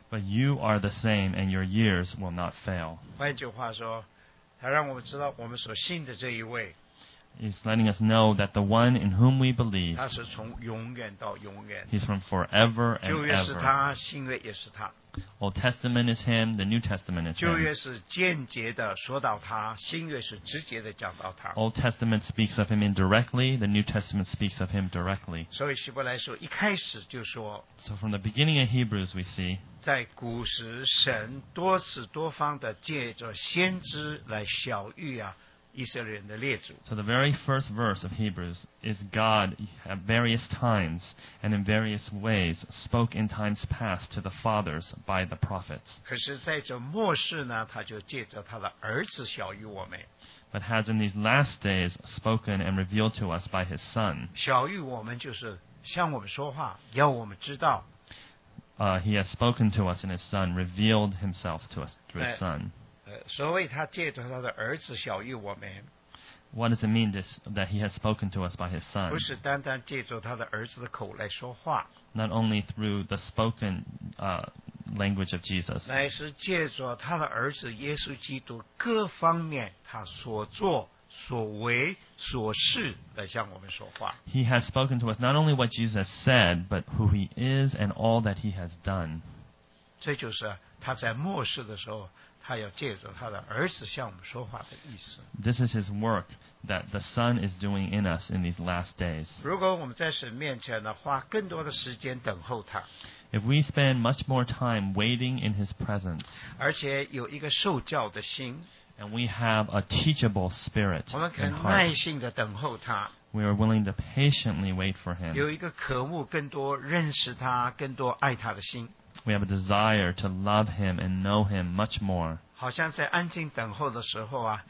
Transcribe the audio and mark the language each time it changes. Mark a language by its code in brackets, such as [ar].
[en] But you are the same and your years will not fail. [zh] 换句话说，他让我们知道我们所信的这一位。 [en] He's letting us know that the one in whom we believe, [zh] 他是从永远到永远, [en] He's from forever and ever. [zh] 旧约是他, 新约也是他。 [en] Old Testament is Him, the New Testament is Him. [zh] 旧约是间接地说到他, 新约是直接地讲到他。 [en] Old Testament speaks of Him indirectly, the New Testament speaks of Him directly. [zh] 所以希伯来书一开始就说, [en] So from the beginning of Hebrews we see, [zh] 在古时神多次多方地借着先知来晓谕啊。 [en] So the very first verse of Hebrews is God at various times and in various ways spoke in times past to the fathers by the prophets. [zh] 可是在这末世呢，他就借着他的儿子晓谕我们。 [en] But has in these last days spoken and revealed to us by his son. [zh] 晓谕我们就是向我们说话，要我们知道。 [en] He has spoken to us in his son, revealed himself to us through his son. [zh] 所谓他借着他的儿子晓谕我们 [en] What does it mean this, that he has spoken to us by his son? [zh] 不是单单借着他的儿子的口来说话 [en] Not only through the spoken language of Jesus [zh] 乃是借着他的儿子耶稣基督各方面他所做所为所事来向我们说话 [en] He has spoken to us not only what Jesus said but who he is and all that he has done [zh] 这就是他在末世的时候他要借着他的儿子向我们说话的意思。 [en] This is his work that the Son is doing in us in these last days. [zh] 如果我们在神面前呢，花更多的时间等候他。 [en] If we spend much more time waiting in his presence. [zh] 而且有一个受教的心。 [en] And we have a teachable spirit. [zh] 我们肯耐心地等候他。 [en] We are willing to patiently wait for him. [zh] 有一个渴慕更多认识他，更多爱他的心。 [en] We have a desire to love him and know him much more. [zh] 好像在安静等候的时候啊